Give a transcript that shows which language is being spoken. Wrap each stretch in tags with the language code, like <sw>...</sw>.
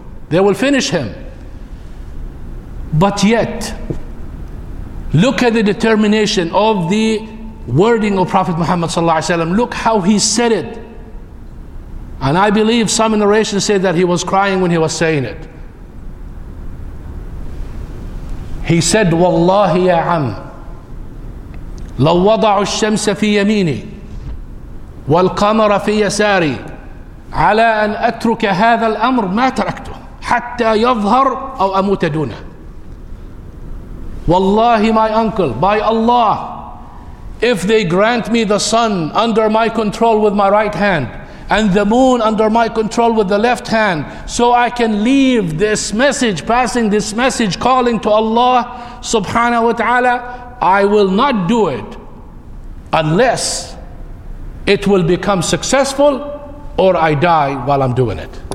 <en>They will finish him. But yet, look at the determination of the wording of Prophet Muhammad sallallahu alaihi wasallam. Look how he said it. And I believe some narrations say that he was crying when he was saying it. He said,</en> <ar>Wallahi ya am, law wada'u ash-shamsa fi yamini والقمر في يساري على أن أترك هذا الأمر ما تركته حتى يظهر أو أموت دونه.</ar> <en>والله, my uncle, by Allah, if they grant me the sun under my control with my right hand and the moon under my control with the left hand, so I can leave this message, passing this message, calling to Allah subhanahu wa ta'ala, I will not do it unless it will become successful or I die while I'm doing it.</en>